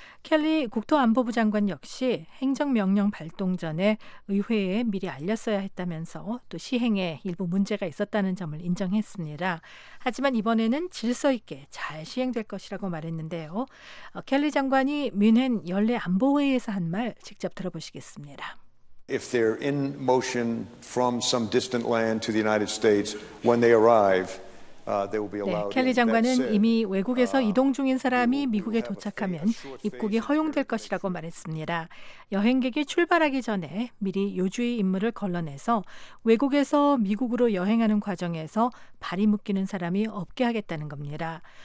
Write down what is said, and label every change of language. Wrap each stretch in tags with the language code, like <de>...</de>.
<ko>켈리 국토안보부 장관 역시 행정명령 발동 전에 의회에 미리 알렸어야 했다면서 또 시행에 일부 문제가 있었다는 점을 인정했습니다. 하지만 이번에는 질서 있게 잘 시행될 것이라고 말했는데요. 켈리 장관이 뮌헨 연례안보회의에서 한 말 직접 들어보시겠습니다.</ko> <en>If they're in motion from some distant land to the United States, when they arrive, they will be allowed.</en> <ko>네, 켈리 장관은 이미 외국에서 이동 중인 사람이 미국에 도착하면 입국이 허용될 것이라고 말했습니다. 여행객이 출발하기 전에 미리 요주의 임무를 걸러내서 외국에서 미국으로 여행하는 과정에서 발이 묶이는 사람이 없게 하겠다는 겁니다.</ko>